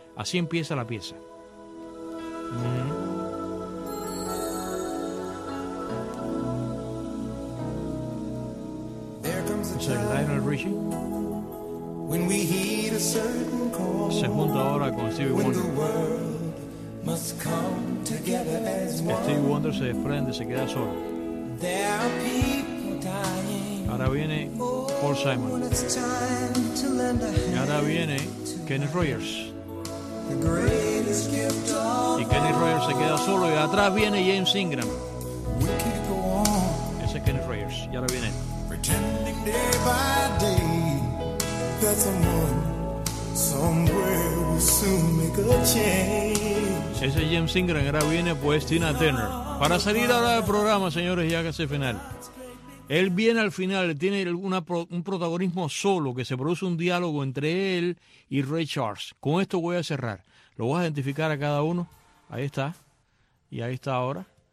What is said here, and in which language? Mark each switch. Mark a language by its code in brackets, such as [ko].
[es] Así empieza la pieza. Lionel Richie. [en] When we heed a certain call, [es] se junta ahora con Stevie Wonder. [en] When the world must come together as one. [es] Steve Wonder se desprende, se queda solo. [en] There are people dying. [es] Ahora viene Paul Simon. [en] When it's time to lend a hand. [es] Y ahora viene Kenny Rogers. [en] The greatest gift of all. [es] Y Kenny Rogers se queda solo y atrás viene James Ingram. [en] We can go on. [es] Ese es Kenny Rogers. Y ahora viene. [en] Pretending day by day that someone somewhere will soon make a change. [es] Ese es James Ingram. Ahora viene pues Tina Turner. Para salir ahora del programa, señores, ya que es el final. Él viene al final, tiene un protagonismo solo, que se produce un diálogo entre él y Ray Charles. Con esto voy a cerrar. Lo voy a identificar a cada uno. Ahí está. Y ahí está ahora.